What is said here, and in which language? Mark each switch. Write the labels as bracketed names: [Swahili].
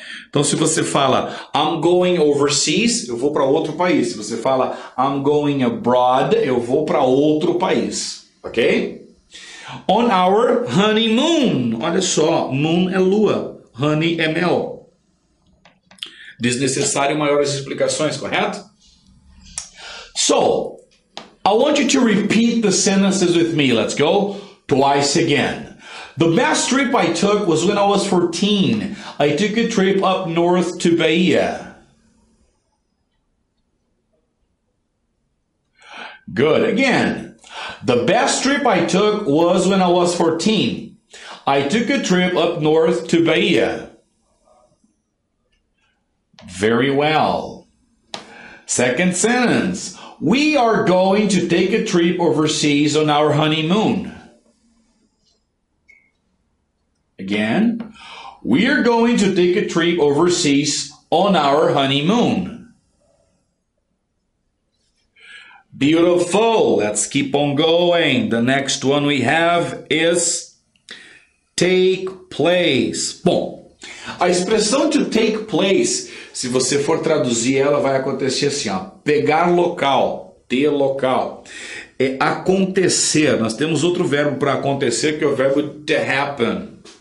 [Portuguese] Então, se você fala, [English] I'm going overseas, [Portuguese] eu vou para outro país. Se você fala, [English] I'm going abroad, [Portuguese] eu vou para outro país. Ok? [English] On our honeymoon. [Portuguese] Olha só, moon é lua, honey é mel. Desnecessário maiores explicações, correto? [English] So, I want you to repeat the sentences with me. Let's go twice again. The best trip I took was when I was 14. I took a trip up north to Bahia. Good, again. The best trip I took was when I was 14. I took a trip up north to Bahia. Very well. Second sentence. We are going to take a trip overseas on our honeymoon. Again, we are going to take a trip overseas on our honeymoon. Beautiful. Let's keep on going. The next one we have is take place. [Portuguese] Bom, a expressão to take place, se você for traduzir ela, vai acontecer assim, ó, pegar local, ter local. É acontecer. Nós temos outro verbo para acontecer, que é o verbo to happen.